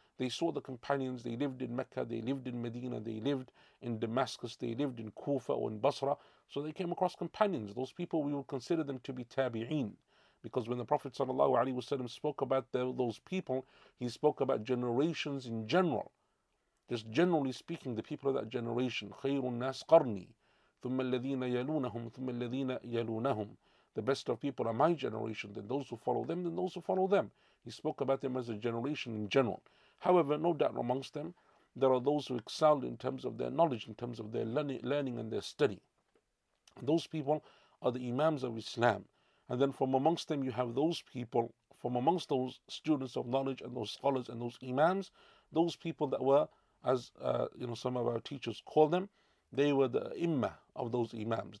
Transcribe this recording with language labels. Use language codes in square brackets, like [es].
[en] They saw the companions, they lived in Mecca, they lived in Medina, they lived in Damascus, they lived in Kufa or in Basra. So they came across companions. Those people, we will consider them to be tabi'een. Because when the Prophet ﷺ spoke about those people, he spoke about generations in general. Just generally speaking, the people of that generation, [ar] خَيْرٌ النَّاسِ قَرْنِي ثُمَّ الَّذِينَ يَلُونَهُمْ [en] ثُمَّ الَّذِينَ يَلُونَهُمْ. The best of people are my generation, then those who follow them, then those who follow them. He spoke about them as a generation in general. However, no doubt amongst them, there are those who excelled in terms of their knowledge, in terms of their learning and their study. Those people are the Imams of Islam. And then from amongst them, you have those people, from amongst those students of knowledge and those scholars and those Imams, those people that were, as some of our teachers call them, they were the imma of those Imams.